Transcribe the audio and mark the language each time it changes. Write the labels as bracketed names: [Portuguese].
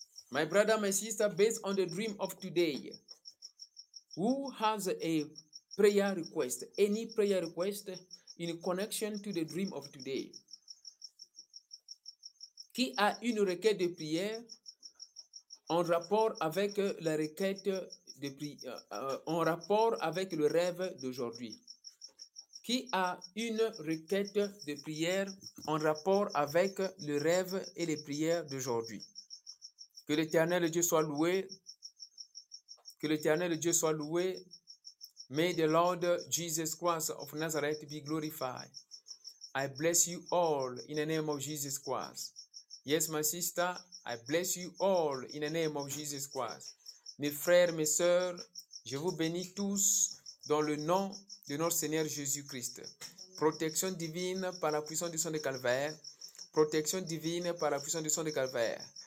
[English] My brother, my sister, based on the dream of today, who has a prayer request, any prayer request in connection to the dream of today? [French] Qui a une requête de prière en rapport avec la requête de prière, en rapport avec le rêve d'aujourd'hui? Qui a une requête de prière en rapport avec le rêve et les prières d'aujourd'hui? Que l'Éternel Dieu soit loué. Que l'Éternel Dieu soit loué. [English] May the Lord Jesus Christ of Nazareth be glorified. I bless you all in the name of Jesus Christ. Yes, my sister, I bless you all in the name of Jesus Christ. [French] Mes frères, mes sœurs, je vous bénis tous dans le nom de notre Seigneur Jésus-Christ. Protection divine par la puissance du sang de Calvaire. Protection divine par la puissance du sang de Calvaire.